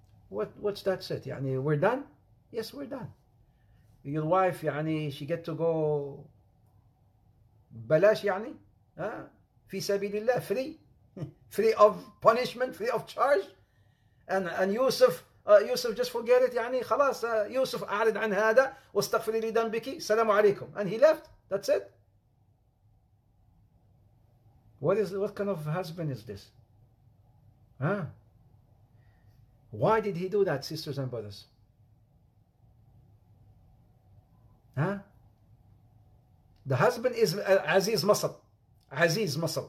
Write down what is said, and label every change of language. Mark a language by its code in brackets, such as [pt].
[en] What's that said? يعني we're done? Yes, we're done. Your wife, يعني she get to go. [ar] بلاش يعني, في سبيل الله, [en] free, free of punishment, free of charge, and Yusuf. Yusuf, just forget it. [ar] يعني خلاص يوسف أعرض عن هذا واستغفر لي ذنبك سلام عليكم. [en] And he left. That's it. What kind of husband is this? Huh? Why did he do that, sisters and brothers? Huh? The husband is Aziz Masr. Aziz Masr.